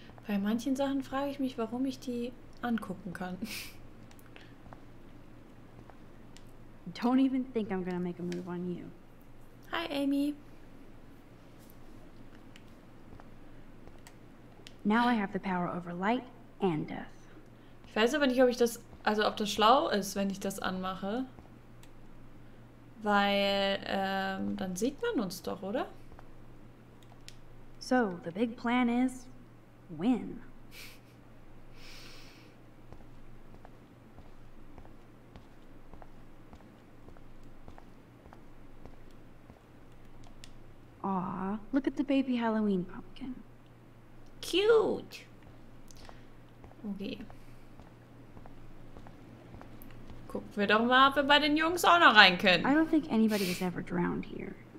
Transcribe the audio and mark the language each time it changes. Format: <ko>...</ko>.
<de>Bei manchen Sachen frage ich mich, warum ich die angucken kann.</de> <en>Don't even think I'm gonna make a move on you. Hi, Amy. Now I have the power over light. And death.</en> <de>Ich weiß aber nicht, ob ich das, also ob das schlau ist, wenn ich das anmache. Weil, dann sieht man uns doch, oder?</de> <en>So, the big plan is win. Aw, look at the baby Halloween pumpkin. Cute! Okay.</en> <de>Gucken wir doch mal, ob wir bei den Jungs auch noch rein können.</de> <en>I don't think anybody has ever drowned here.</en>